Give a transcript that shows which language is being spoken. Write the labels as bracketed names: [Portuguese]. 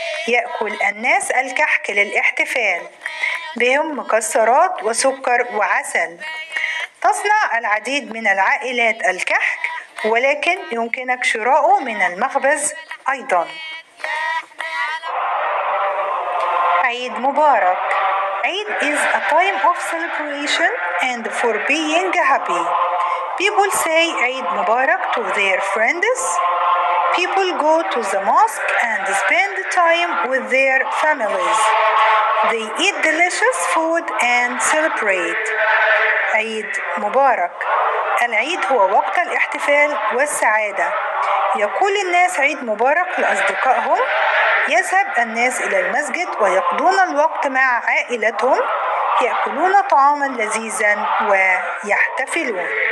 [Arabic] يأكل الناس الكحك للاحتفال. بهم مكسرات وسكر وعسل. تصنع العديد من العائلات الكحك، ولكن يمكنك شراؤه من المخبز أيضا. عيد مبارك. [English] عيد is a time of celebration and for being happy. People say [Arabic] عيد مبارك [English] to their friends. People go to the mosque and spend time with their families. They eat delicious food and celebrate. [Arabic] عيد مبارك. العيد هو وقت الاحتفال والسعادة. يقول الناس عيد مبارك لأصدقائهم. يذهب الناس إلى المسجد ويقضون الوقت مع عائلتهم. يأكلون طعاما لذيذا ويحتفلون.